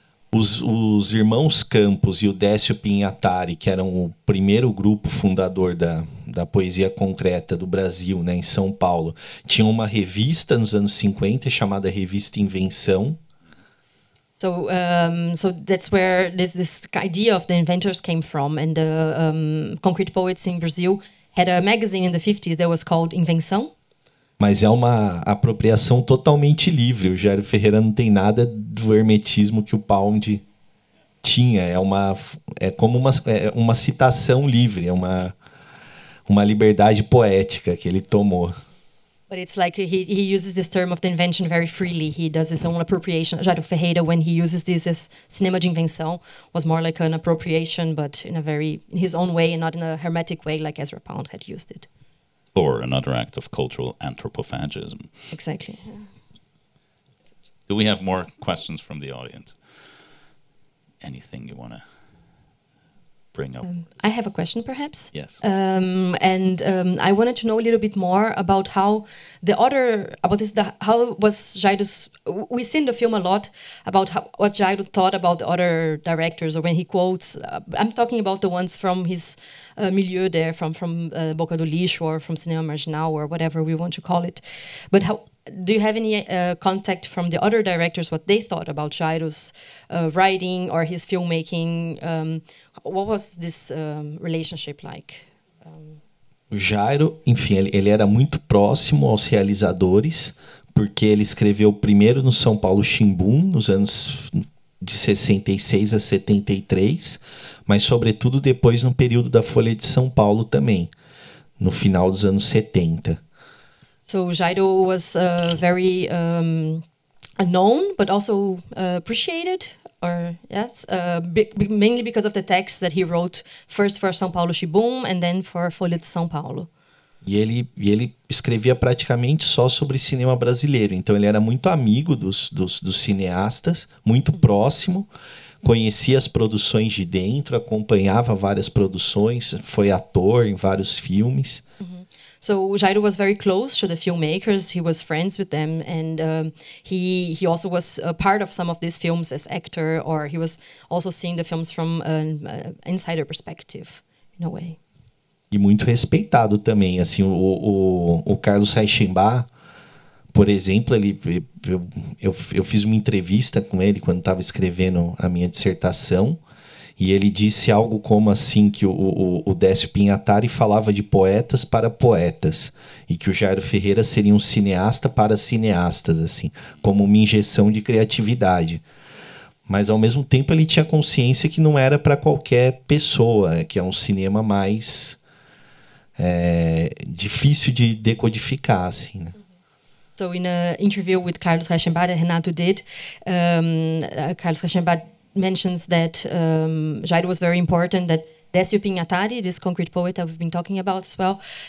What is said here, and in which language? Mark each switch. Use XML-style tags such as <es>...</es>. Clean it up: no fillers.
<pt>Os irmãos Campos e o Décio Pinhatari, que eram o primeiro grupo fundador da poesia concreta do Brasil, né, em São Paulo, tinham uma revista nos anos 50 chamada Revista Invenção.</pt> <en>So that's where this idea of the inventors came from, and the concrete poets in Brazil had a magazine in the 50s that was called Invenção.</en> <pt>Mas é uma apropriação totalmente livre. O Jairo Ferreira não tem nada do hermetismo que o Pound tinha. É como uma citação livre, é uma liberdade poética que ele tomou.</pt> <en>But it's like he uses this term of the invention very freely. He does his own appropriation. Jairo Ferreira, when he uses this as cinema de invenção, was more like an appropriation, but in his own way and not in a hermetic way like Ezra Pound had used it. Or another act of cultural anthropophagism. Exactly. Do we have more questions from the audience? Anything you want to bring up? I have a question, perhaps. Yes. I wanted to know a little bit more about how the other, about this, the, how was Jairo's, we've seen the film a lot, about what Jairo thought about the other directors, or when he quotes, I'm talking about the ones from his milieu there, from Boca do Lixo, or from Cinema Marginal, or whatever we want to call it. But how do you have any contact from the other directors, what they thought about Jairo's writing or his filmmaking? What was this relationship like?</en> <pt>O Jairo, enfim, ele era muito próximo aos realizadores, porque ele escreveu primeiro no São Paulo Ximbum, nos anos de 66 a 73, mas sobretudo depois no período da Folha de São Paulo também, no final dos anos 70.</pt> <en>So Jairo was very known, but also appreciated, mainly because of the texts that he wrote first for São Paulo Ximbum and then for Folha de São Paulo.</en> <pt>E ele escrevia praticamente só sobre cinema brasileiro, então ele era muito amigo dos cineastas, muito próximo, conhecia as produções de dentro, acompanhava várias produções, foi ator em vários filmes. Uh-huh.</pt> <en>So Jairo was very close to the filmmakers. He was friends with them, and he also was a part of some of these films as actor, or he was also seeing the films from an insider perspective, in a way.</en> <pt>E muito respeitado também, assim, o Carlos Reichenbach, por exemplo, eu fiz uma entrevista com ele quando estava escrevendo a minha dissertação. E ele disse algo como assim, que o Décio Pinhatari falava de poetas para poetas, e que o Jairo Ferreira seria um cineasta para cineastas, assim, como uma injeção de criatividade. Mas, ao mesmo tempo, ele tinha consciência que não era para qualquer pessoa, que é um cinema mais difícil de decodificar, assim, né?</pt> <en>So, in an interview with Carlos Reichenbach, Renato did, Carlos Reichenbach mentions that Jairo was very important, that Décio Pinhatari, this concrete poet that we've been talking about as well,</en>